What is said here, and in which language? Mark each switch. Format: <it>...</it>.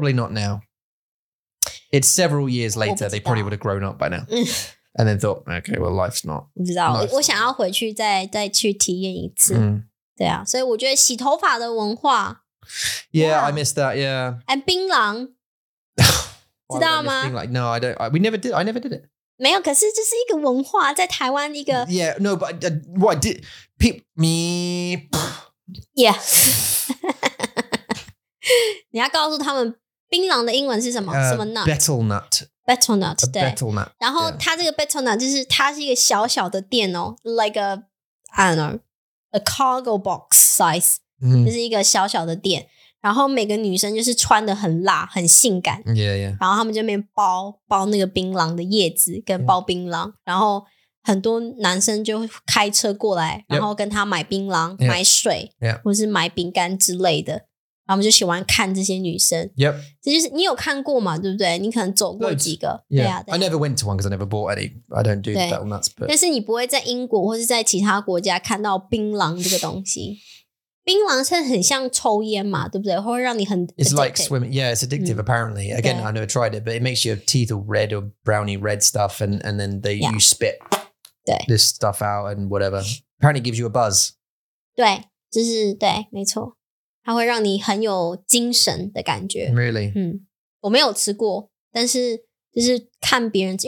<en>，probably not now， it's several years later， they probably would have grown up by now， and then thought， okay， well life's not，</en> <zh>不知道，我想要回去再去体验一次，对啊，所以我觉得洗头发的文化</zh> <en>，Yeah， I miss that， Yeah，</en> <zh>and 槟榔。知道吗</zh> <en>like, No, I don't. We never did. I never did it.</en> <zh>没有，可是这是一个文化，在台湾一个。</zh> <en>Yeah, no, but what I did, me. Yeah.</en> <zh>你要告诉他们，槟榔的英文是什么？什么 nut?</zh> <en>Betel nut. Betel nut. 对 Betel nut.</en> <zh>然后它这个 Betel nut 就是它是一个小小的店哦 ，</zh> <en>like a I don't know, a cargo box size,、mm-hmm.</en> <zh>就是一个小小的店。然后每个女生就是穿得很辣很性感。</zh> <en>Yeah, yeah.</en> <zh>然后他们就那边包那个槟榔的叶子跟包槟榔、yeah. 然后很多男生就开车过来、yep. 然后跟他买槟榔、yeah. 买水、</zh> <en>yeah.</en> <zh>或是买饼干之类的。然后我们就喜欢看这些女生。</zh> <en>Yep.</en> <zh>这就是你有看过嘛，对不对？你可能走过几个。</zh> <en>Yeah.</en> <zh>对啊，对。</zh> <en>I never went to one because I never bought any. I don't do that on that.</en> <zh>但是你不会在英国或是在其他国家看到槟榔这个东西。槟榔是很像抽烟嘛，对不对？会让你很</zh> <en>It's like swimming. Yeah, it's addictive, apparently. Again, I never tried it, but it makes your teeth all red or brownie red stuff, and then they, you spit this stuff out and whatever. Apparently it gives you a buzz.</en> <zh>对，就是对，没错。它会让你很有精神的感觉。</zh> <en>Really?</en> <zh>我没有吃过，但是就是看别人吃。</zh>